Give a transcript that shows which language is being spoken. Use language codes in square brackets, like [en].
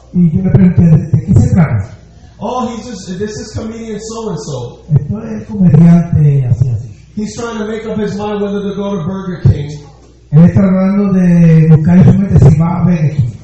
[es] Y yo le pregunté, ¿de qué se trata? [en] Oh, this is comedian so and so. [es] Esto es comediante así así. [en] He's trying to make up his mind whether to go to Burger King. [es] Él está tratando de buscar en su mente si va a Burger King.